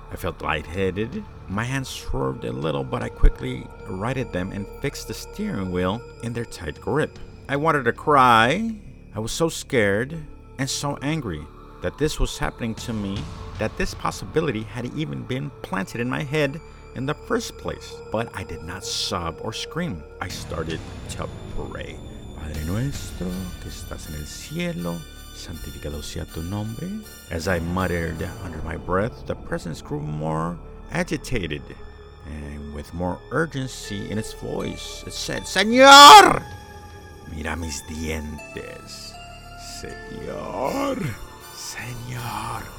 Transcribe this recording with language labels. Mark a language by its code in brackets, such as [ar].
[en] I felt lightheaded. My hands swerved a little, but I quickly righted them and fixed the steering wheel in their tight grip. I wanted to cry. I was so scared and so angry that this was happening to me, that this possibility had even been planted in my head in the first place. But I did not sob or scream. I started to pray. [es] Padre nuestro, que estás en el cielo, santificado sea tu nombre. [en] As I muttered under my breath, the presence grew more agitated and with more urgency in its voice. It said, [es] Señor! Mira mis dientes. Señor! Señor!